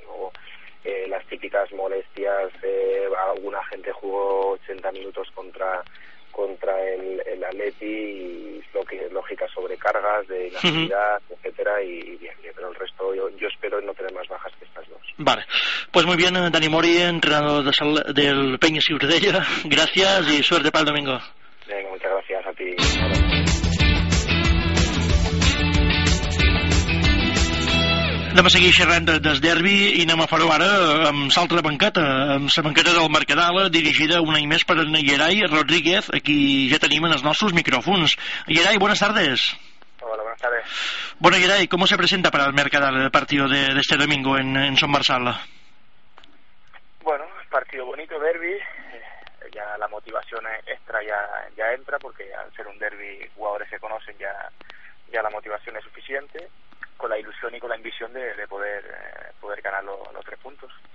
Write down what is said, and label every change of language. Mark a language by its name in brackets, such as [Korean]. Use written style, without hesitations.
[Spanish] Luego, las típicas molestias, alguna gente jugó 80 minutos contra el Atleti, y lógicas sobrecargas de inactividad, etcétera, y bien, pero el resto yo espero no tener más bajas que estas dos. Vale, pues muy bien, Dani Mori, entrenador del Peña Ciutadella, gracias y suerte para el domingo. Venga, muchas gracias a ti. [Catalan] Anem a seguir xerrant del derbi, i anem a fer-ho ara amb l'altra banqueta, amb la banqueta del Mercadal, dirigida un any més per en Gerai Rodríguez, a qui ja tenim en els nostres micròfons. [Spanish] Gerai, buenas tardes. Hola, buenas tardes. Bueno, Gerai, ¿cómo se presenta para el Mercadal el partido de este domingo en Somersal? Bueno, partido bonito, derbi. Ya la motivación extra ya entra, porque al ser un derbi jugadores se conocen, ya la motivación es suficiente, con la ilusión y con la ambición de poder ganar los 3 puntos.